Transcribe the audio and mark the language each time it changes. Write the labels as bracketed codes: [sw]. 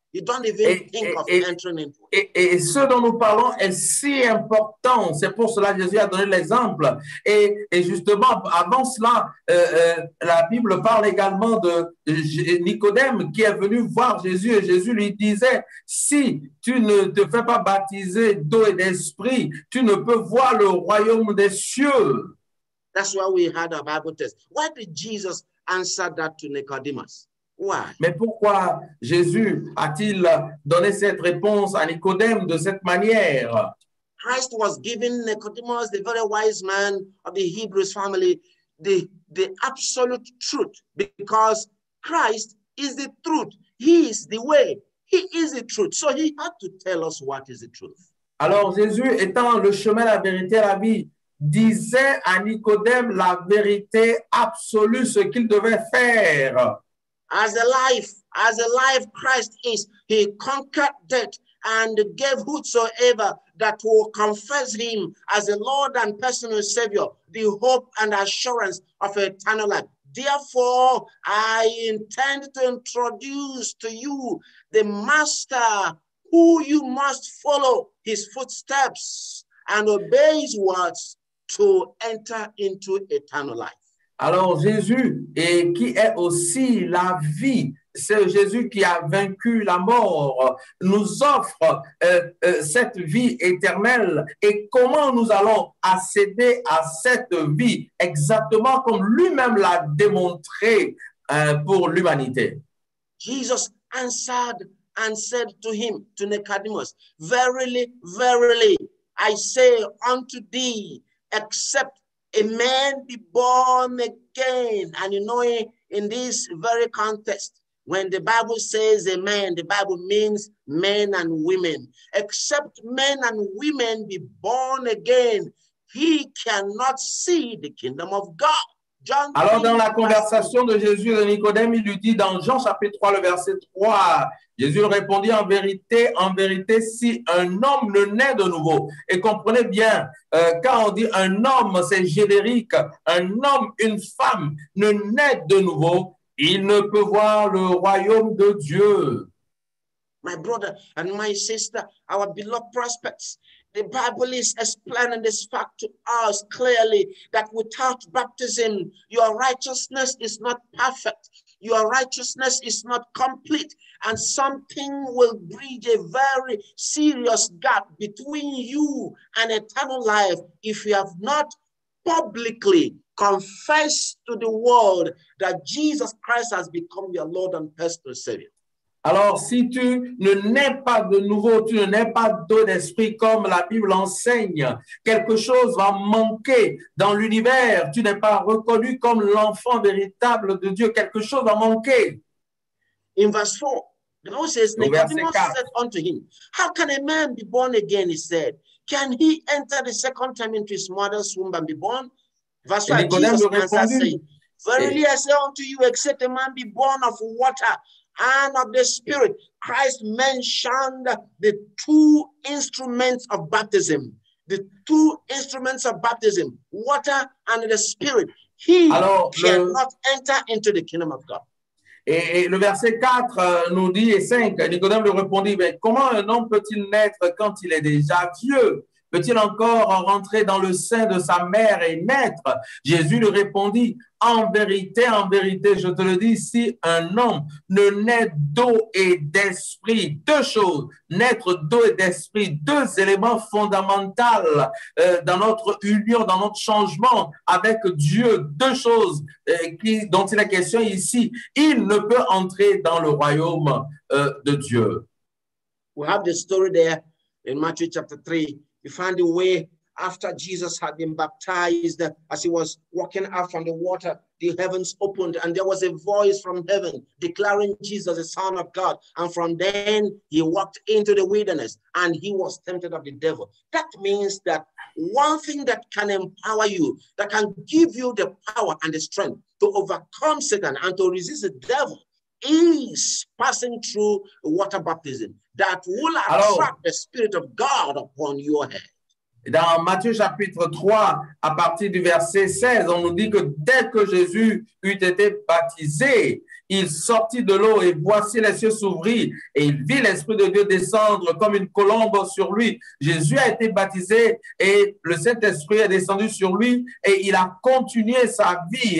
[en] You don't even think of entering into it. [fr] Et ce dont nous parlons est si important. C'est pour cela que Jésus a donné l'exemple. Et justement, avant cela, la Bible parle également de Nicodème qui est venu voir Jésus et Jésus lui disait, si tu ne te fais pas baptiser d'eau et d'esprit, tu ne peux voir le royaume des cieux. [en] That's why we had a Bible test. Why did Jesus answer that to Nicodemus? Why? [fr] Mais pourquoi Jésus a-t-il donné cette réponse à Nicodème de cette manière? [en] Christ was giving Nicodemus, the very wise man of the Hebrew family, the absolute truth because Christ is the truth. He is the way. He is the truth. So he had to tell us what is the truth. [fr] Alors Jésus étant le chemin, la vérité, la vie, disait à Nicodème la vérité absolue, ce qu'il devait faire. [en] As a life Christ is, he conquered death and gave whosoever that will confess him as a Lord and personal Savior, the hope and assurance of eternal life. Therefore, I intend to introduce to you the master who you must follow his footsteps and obey his words to enter into eternal life. [fr] Alors Jésus, et qui est aussi la vie, c'est Jésus qui a vaincu la mort, nous offre cette vie éternelle. Et comment nous allons accéder à cette vie, exactement comme lui-même l'a démontré pour l'humanité? [en] Jesus answered and said to him, to Nicodemus, verily, verily, I say unto thee, except a man be born again. And you know, in this very context, when the Bible says a man, the Bible means men and women. Except men and women be born again, he cannot see the kingdom of God. John. [fr] Alors, dans la conversation de Jésus et Nicodème, il lui dit dans Jean chapitre 3, le verset 3, Jésus répondit, en vérité, si un homme ne naît de nouveau, et comprenez bien, quand on dit un homme, c'est générique, un homme, une femme, ne naît de nouveau, il ne peut voir le royaume de Dieu. [en] My brother and my sister, our beloved prospects, the Bible is explaining this fact to us clearly that without baptism, your righteousness is not perfect. Your righteousness is not complete. And something will bridge a very serious gap between you and eternal life if you have not publicly confessed to the world that Jesus Christ has become your Lord and personal Savior. [fr] Alors, si tu ne nais pas de nouveau, tu ne nais pas d'eau d'esprit comme la Bible enseigne, quelque chose va manquer dans l'univers. Tu n'es pas reconnu comme l'enfant véritable de Dieu. Quelque chose va manquer. [en] In verse 4, the Bible says, Nicodemus said unto him, how can a man be born again, he said? Can he enter the second time into his mother's womb and be born? Verse 5, Jesus answered, verily I say unto you, except a man be born of water and of the Spirit, Christ mentioned the two instruments of baptism. The two instruments of baptism, water and the Spirit. He cannot enter into the kingdom of God. [fr] Et le verset 4 nous dit, et 5, Nicodème lui répondit, mais comment un homme peut-il naître quand il est déjà vieux? Peut-il encore rentrer dans le sein de sa mère et naître? Jésus lui répondit, en vérité, je te le dis, si un homme ne naît d'eau et d'esprit, deux choses, naître d'eau et d'esprit, deux éléments fondamentaux dans notre union, dans notre changement avec Dieu, deux choses dont il est question ici, il ne peut entrer dans le royaume de Dieu. [en] We have the story there in Matthew chapter 3. You find the way after Jesus had been baptized, as he was walking out from the water, the heavens opened and there was a voice from heaven declaring Jesus the Son of God. And from then he walked into the wilderness and he was tempted of the devil. That means that one thing that can empower you, that can give you the power and the strength to overcome Satan and to resist the devil, is passing through water baptism that will attract the Spirit of God upon your head. [fr] Dans Matthieu chapitre 3, à partir du verset 16, on nous dit que dès que Jésus eut été baptisé, il sortit de l'eau et voici les cieux s'ouvrirent et il vit l'Esprit de Dieu descendre comme une colombe sur lui. Jésus a été baptisé et le Saint-Esprit est descendu sur lui et il a continué sa vie.